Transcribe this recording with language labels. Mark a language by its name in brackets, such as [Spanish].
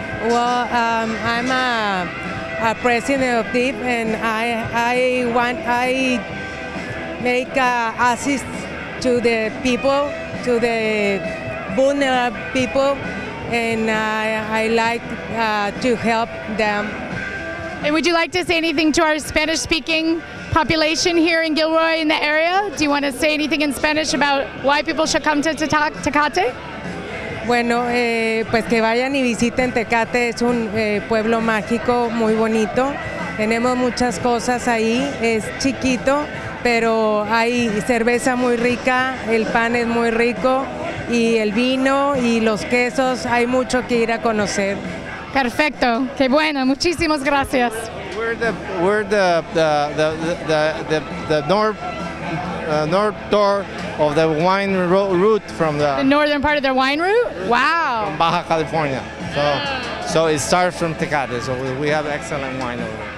[English] Well, I'm a president of DIP, and I make assist to the people, to the vulnerable people, and I like to help them. And would you like to say anything to our Spanish-speaking population here in Gilroy in the area? Do you want to say anything in Spanish about why people should come to Tecate? [Spanish] Bueno, pues que vayan y visiten Tecate, es un pueblo mágico, muy bonito. Tenemos muchas cosas ahí, es chiquito, pero hay cerveza muy rica, el pan es muy rico, y el vino y los quesos, hay mucho que ir a conocer. Perfecto, qué bueno, muchísimas gracias. [English] We're the north door of the wine route from the northern part of the wine route? Wow. From Baja California. So it starts from Tecate, so we have excellent wine over there.